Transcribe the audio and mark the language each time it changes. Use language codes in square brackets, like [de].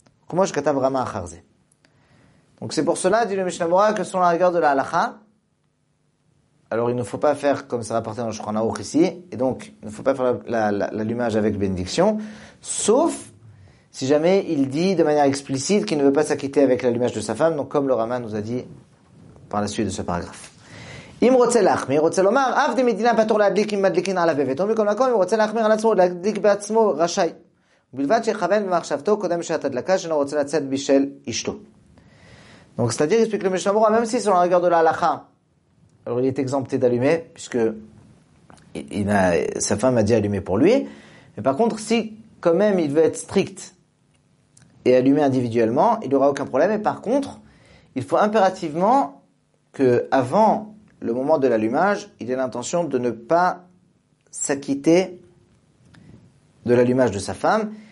[fr] Comment je katab rama acharze? Donc c'est pour cela, dit le Mishnah Berurah, que selon la rigueur de la halakha, alors il ne faut pas faire comme ça rapporté dans le Shulchan Aruch ici, et donc il ne faut pas faire l'allumage avec bénédiction, sauf si jamais il dit de manière explicite qu'il ne veut pas s'acquitter avec l'allumage de sa femme, donc comme le Rama nous a dit par la suite de ce paragraphe. [he] אם רוצה להחמיר, רוצה לומר, אף די מדינה פטור להדליק אם מדליקין עליו בביתו, מכל מקום, אם רוצה להחמיר על עצמו, להדליק בעצמו, רשאי. בלבד שיכוון במחשבתו קודם שעת הדלקה, שאינו רוצה לצאת בשל אשתו. [fr] Donc, c'est-à-dire, explique le Mishnah Berurah, même si selon la rigueur de la halakha, alors il est exempté d'allumer, puisque sa femme a dit allumer pour lui, mais par contre, si quand même il veut être strict et allumer individuellement, il n'y aura aucun problème, et par contre, il faut impérativement que avant le moment de l'allumage, il a l'intention de ne pas s'acquitter de l'allumage de sa femme.